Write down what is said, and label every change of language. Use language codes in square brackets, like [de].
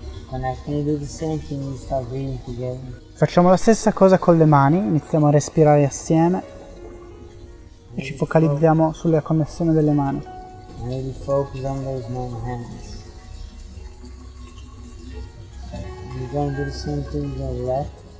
[en] Connecting, you do the same thing, you start breathing together. [it] Facciamo la stessa cosa con le mani, iniziamo a respirare assieme e ci focalizziamo sulla connessione delle mani. [en] Maybe focus on those nine hands. We're going to do the same thing on the left.